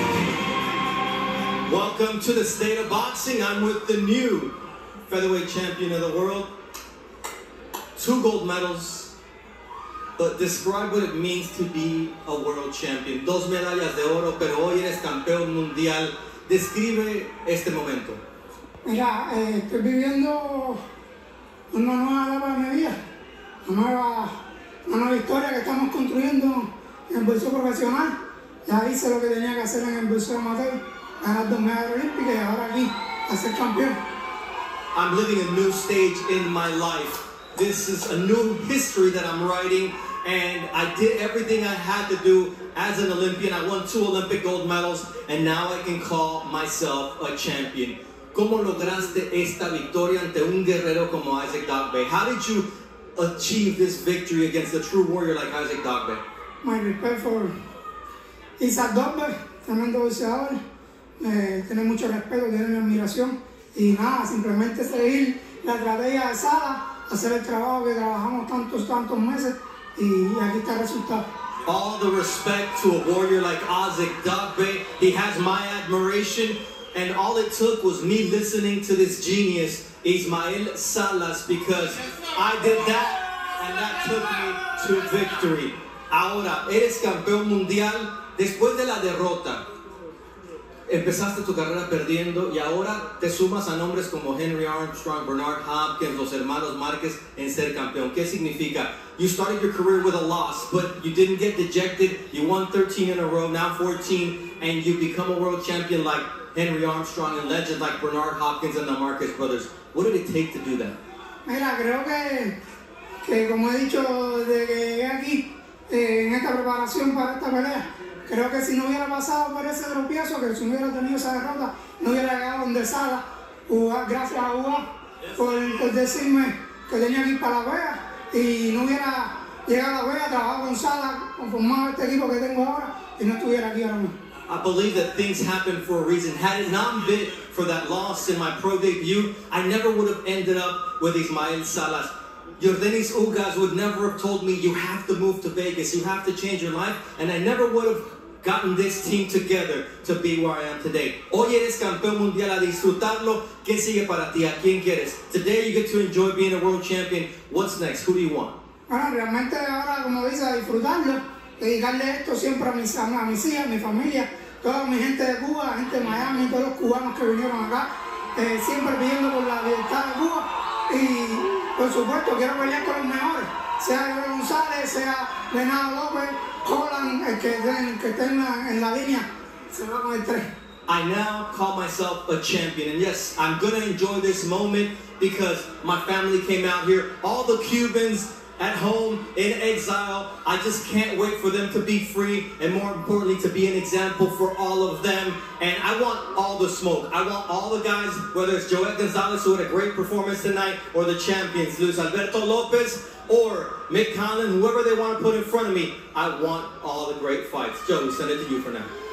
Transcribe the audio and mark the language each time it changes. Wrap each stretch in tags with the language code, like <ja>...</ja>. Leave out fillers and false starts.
<en>Welcome to the State of Boxing. I'm with the new featherweight champion of the world. Two gold medals. But describe what it means to be a world champion.</en> <es>Dos medallas de oro, pero hoy eres campeón mundial. Describe este momento. Mira, estoy viviendo una nueva etapa de mi vida. Una nueva historia que estamos construyendo en boxeo profesional. Ya hice lo que tenía que hacer en el boxeo amateur. Ganar dos medallas olímpicas y ahora aquí, a ser campeón.</es> <en>I'm living a new stage in my life. This is a new history that I'm writing, and I did everything I had to do as an Olympian. I won two Olympic gold medals, and now I can call myself a champion.</en> <es>¿Cómo lograste esta victoria ante un guerrero como Isaac Dogboe?</es> <en>How did you achieve this victory against a true warrior like Isaac Dogboe? My respect for Isaac Dogboe,</en> <es>tremendo boxeador, tiene mucho respeto, tiene mi admiración, y nada, simplemente seguir la estrategia de Sala. Hacer el trabajo que trabajamos tantos meses y aquí está el resultado.</es> <en>All the respect to a warrior like Isaac Dogboe. He has my admiration, and all it took was me listening to this genius, Ismael Salas, because I did that, and that took me to victory.</en> <es>Ahora, eres campeón mundial después de la derrota. Empezaste tu carrera perdiendo y ahora te sumas a nombres como Henry Armstrong, Bernard Hopkins, los hermanos Márquez en ser campeón. ¿Qué significa?</es> <en>You started your career with a loss, but you didn't get dejected. You won 13 in a row, now 14, and you become a world champion like Henry Armstrong and legends like Bernard Hopkins and the Márquez brothers. What did it take to do that?</en> <es>Mira, creo que como he dicho de que aquí en esta preparación para esta pelea. Creo que si no hubiera pasado por ese tropiezo, que si no hubiera tenido esa derrota, no hubiera llegado donde Sala, gracias a Hugo por decirme que tenía que ir para la Vega y no hubiera llegado a la Vega, trabajado con Sala, conformado este equipo que tengo ahora y no estuviera aquí ahora mismo.</es> <en>I believe that things happen for a reason. Had it not been for that loss in my pro debut, I never would have ended up with Ismael Salas. Yordenis Ugas would never have told me, you have to move to Vegas, you have to change your life, and I never would have gotten this team together to be where I am today.</en> <es>Hoy eres campeón mundial, a disfrutarlo. ¿Qué sigue para ti? ¿A quién quieres?</es> <en>Today you get to enjoy being a world champion. What's next? Who do you want?</en> <es>Bueno, realmente ahora, como dice, a disfrutarlo, dedicarle esto siempre a mis hijas, a mi familia, toda mi gente de Cuba, gente de Miami, todos los cubanos que vinieron acá, siempre pidiendo por la libertad de Cuba, y... Por supuesto, quiero pelear con los mejores, sea de González, sea de Nada López, Holland, el que estén en la línea, se va con el 3.</es> <en>I now call myself a champion, and yes, I'm going to enjoy this moment because my family came out here, all the Cubans at home in exile. I just can't wait for them to be free, and more importantly, to be an example for all of them. And I want all the smoke. I want all the guys, whether it's Joel Gonzalez, who had a great performance tonight, or the champions, Luis Alberto Lopez, or Mick Conlon, whoever they want to put in front of me, I want all the great fights. Joe, we send it to you for now.</en>